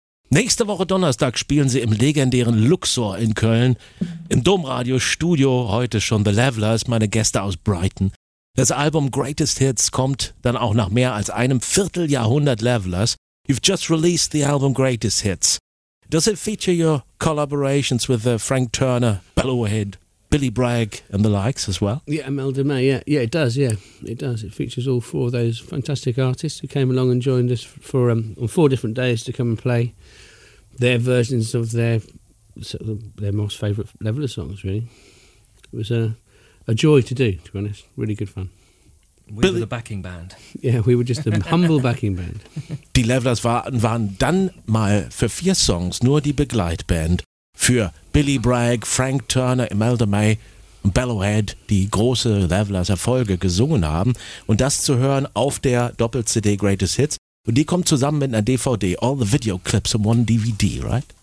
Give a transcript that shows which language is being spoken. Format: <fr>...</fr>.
<de>Nächste Woche Donnerstag spielen sie im legendären Luxor in Köln. Im Domradio Studio heute schon The Levelers, meine Gäste aus Brighton. Das Album Greatest Hits kommt dann auch nach mehr als einem Vierteljahrhundert Levelers.</de> <en>You've just released the album Greatest Hits. Does it feature your collaborations with Frank Turner, Bellowhead, Billy Bragg and the likes as well? Yeah, Mel DeMay, yeah. Yeah, it does, yeah. It does. It features all four of those fantastic artists who came along and joined us for on four different days to come and play their versions of their sort of their most favourite Levelers songs, really. It was a joy to do, to be honest. Really good fun. We were the backing band. Yeah, we were just the humble backing band.</en> <de>Die Levelers waren dann mal für vier Songs nur die Begleitband. Für Billy Bragg, Frank Turner, Imelda May und Bellowhead, die große Levelers Erfolge gesungen haben. Und das zu hören auf der Doppel-CD Greatest Hits. Und die kommt zusammen mit einer DVD,</de> <en>all the video clips in one DVD, right?</en>